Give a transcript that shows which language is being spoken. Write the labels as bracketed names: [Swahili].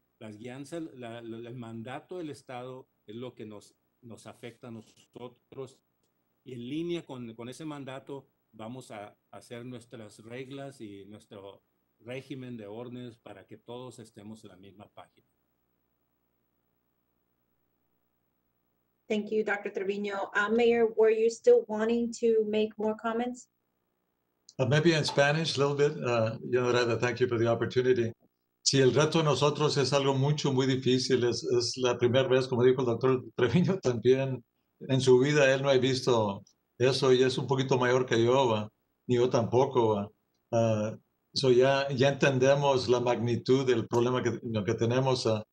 [Spanish] Las guianzas, el mandato del Estado es lo que nos afecta a nosotros. Y en línea con ese mandato vamos a hacer nuestras reglas y nuestro régimen de órdenes para que todos estemos en la misma página. [English] Thank you, Dr. Trevino. Mayor, were you still wanting to make more comments? Maybe in Spanish, a little bit. Yolanda, thank you for the opportunity. [Spanish] Sí, el reto de nosotros es algo mucho, muy difícil. Es la primera vez, como dijo el doctor Trevino también, en su vida él no ha visto eso y es un poquito mayor que yo, ¿va? Ni yo tampoco. Ya entendemos la magnitud del problema que tenemos.